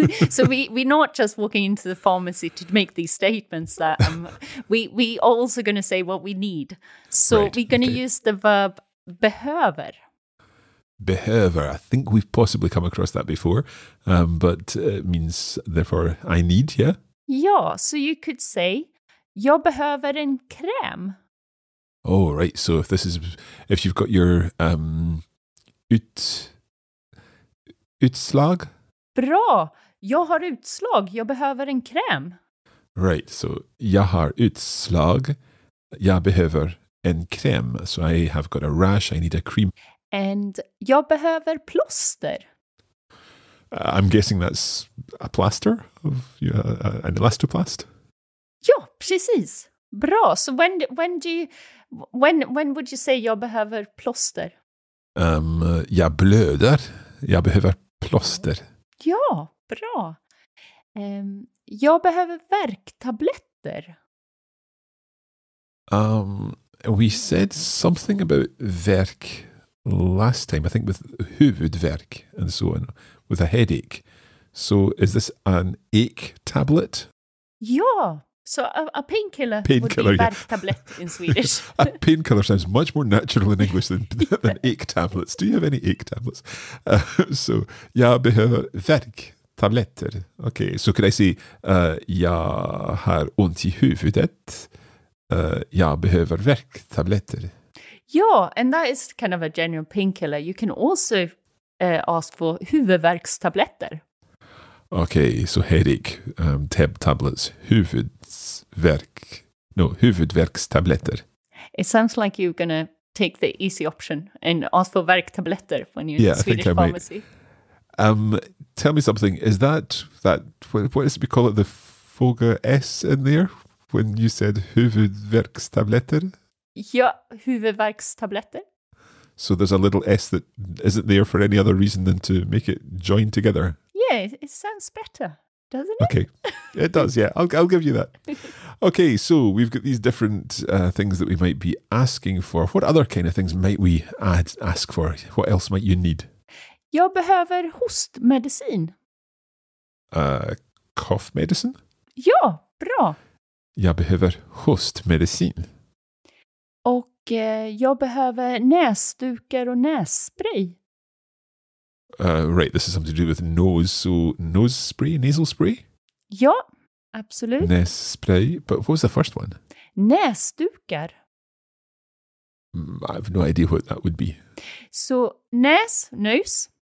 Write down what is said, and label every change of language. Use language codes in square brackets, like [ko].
[en] So we're not just walking into the pharmacy to make these statements that we also going to say what we need. So right, we're going to use the verb behöver. [sv] Behöver. [en] I think we've possibly come across that before, but it means therefore I need, yeah? Yeah. So you could say, [sv] jag behöver en kräm. [en] Oh, right. So if this is, if you've got your utslag. [sv] Bra. Jag har utslag. Jag behöver en kräm. Right. So jag har utslag. Jag behöver en kräm. [en] So I have got a rash. I need a cream. [sv] And jag behöver plåster. [en] I'm guessing that's a plaster, of an elastoplast. [sv] Ja, precis. Bra. [en] So when would you say [sv] jag behöver plåster? Jag blöder. Jag behöver plåster. Ja, bra. Jag behöver värktabletter. [en] We said something about värk last time. I think with huvudvärk and so on, with a headache. So is this an ache tablet? [sv] Ja. [en] So a painkiller would be a värktablett in Swedish. A painkiller sounds much more natural in English than ache tablets. Do you have any ache tablets? [sv] So, jag behöver värktabletter. [en] Okay, so could I say, [sv] jag har ont I huvudet. Jag behöver värktabletter. [en] Yeah, and that is kind of a general painkiller. You can also ask for huvudvärkstabletter. Okay, so headache, tablets, huvudvärkstabletter. It sounds like you're going to take the easy option and ask for värktabletter when you're in Swedish pharmacy. Might. Tell me something, is that what is it we call it, the foga S in there, when you said huvudvärkstabletter? [sv] Ja, huvudvärkstabletter. [en] So there's a little S that isn't there for any other reason than to make it join together. Yeah, it sounds better, doesn't it? Okay, it does, yeah. I'll give you that. Okay, so we've got these different things that we might be asking for. What other kind of things might we ask for? What else might you need? [sv] Jag behöver hostmedicin. [en] Cough medicine? [sv] Ja, bra. Jag behöver hostmedicin. Och jag behöver näsdukar och nässpray. [en] Right, this is something to do with nose. So, nose spray, nasal spray? [sv] Ja, absolut. [en] Nässpray. But what was the first one? [sv] Näsdukar. [en] I have no idea what that would be. So, nose.